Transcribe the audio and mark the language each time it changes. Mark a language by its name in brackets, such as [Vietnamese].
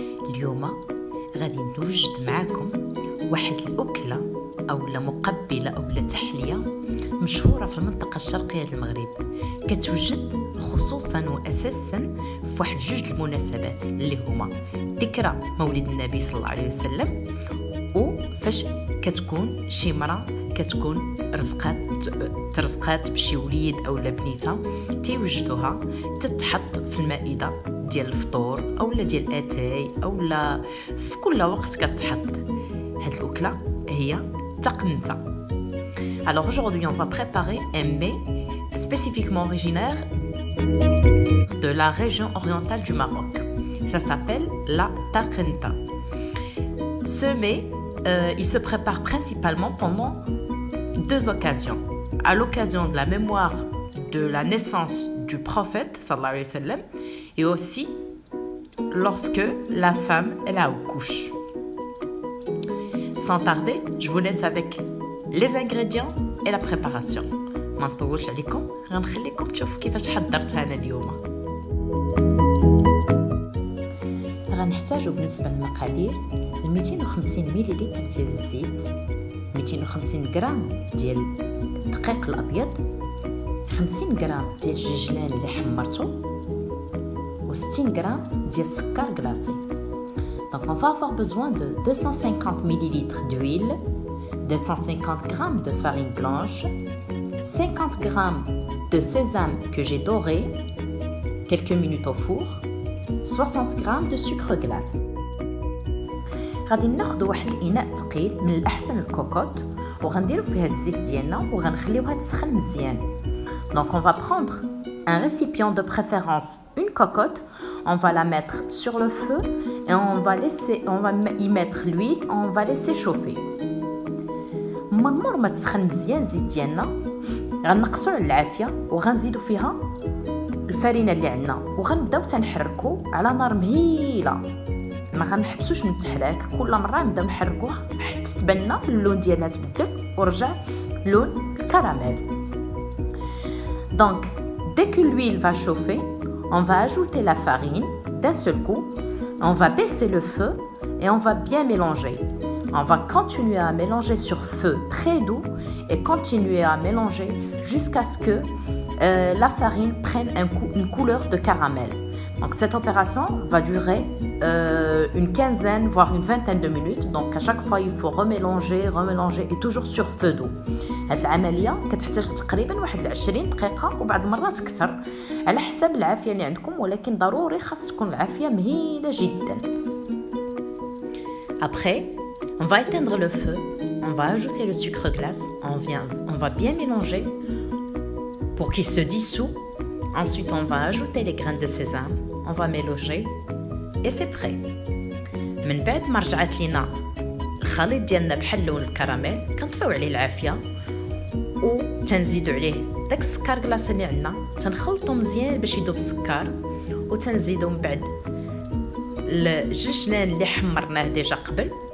[Arabic] اليوم غادي نوجد معكم واحد الاكله او مقبله او تحليه مشهوره في المنطقه الشرقيه للمغرب، كتوجد خصوصا واساسا في واحد جوج المناسبات اللي هما ذكرى مولد النبي صلى الله عليه وسلم، وفاش كتكون شي مراه كتكون ترزقات بشي وليد او لبنيتها تيوجدوها تتحط في المائده ديال الفطور او ديال الاتاي او في كل وقت كتحط هذه الاكله هي التقنطه. [French] alors aujourd'hui on va préparer un mets spécifiquement originaire de la région orientale du Maroc. Ça s'appelle la taqinta. Ce mets il se prépare principalement pendant deux occasions. À l'occasion de la mémoire de la naissance du prophète [Arabic] sallallahu alayhi wa sallam, [French] et aussi lorsque la femme elle a accouché. Sans tarder, je vous laisse avec les ingrédients et la préparation. [Arabic] منطولش عليكم غنخليكم تشوفوا كيفاش حضرت انا اليوم. غنحتاجوا بالنسبه للمقادير 250 مللتر ديال الزيت، 250 غرام ديال الدقيق الابيض، 50 غرام ديال الجلجلان اللي حمرته، و 60 غرام ديال السكر كلاصي. [French] دونك on va avoir besoin de 250 مللتر d'huile, 250 غرام de farine blanche, 50 g de sésame que j'ai doré, quelques minutes au four, 60 g de sucre glace. [Arabic] غادي ناخذ واحد الاناء ثقيل من الاحسن الكوكوت وغنديروا فيها الزيت ديالنا وغنخليوها تسخن مزيان. [French] Donc on va prendre un récipient de préférence une cocotte, on va la mettre sur le feu et on va y mettre l'huile, on va laisser chauffer. [Arabic] من مور ما تسخن مزيان الزيت ديالنا غنقصوا على العافيه وغنزيدوا فيها الفرينه اللي عندنا وغنبداو تنحركوا على نار مهيله، ما غنحبسوش من التحراك، كل مره نبداو نحركوها حتى تبان اللون ديالها تبدل ورجع لون الكراميل. [French] دونك dès que l'huile va chauffer, on va ajouter la farine d'un seul coup, on va baisser le feu et on va bien mélanger. On va continuer à mélanger sur feu très doux et continuer à mélanger jusqu'à ce que la farine prenne une couleur de caramel. Donc cette opération va durer une quinzaine voire une vingtaine de minutes. Donc à chaque fois il faut remélanger et toujours sur feu doux. [Arabic] هذه العمليه كتحتاج تقريبا واحد 20 دقيقه وبعض المرات اكثر على حسب العافيه اللي عندكم، ولكن ضروري خاص تكون العافيه مهيله جدا. [French] Après on va éteindre le feu, on va ajouter le sucre glace, on va bien mélanger pour qu'il se dissout. Ensuite, on va ajouter les graines de sésame, on va mélanger et c'est prêt. [Arabic] من بعد ما رجعت لينا الخليط ديالنا بحال لون الكراميل، كنطفيو عليه العافيه و تنزيدوا عليه داك السكر كلاص اللي عندنا، تنخلطوا مزيان باش يذوب السكر و تنزيدوا من بعد الجلجلان اللي حمرناه ديجا قبل.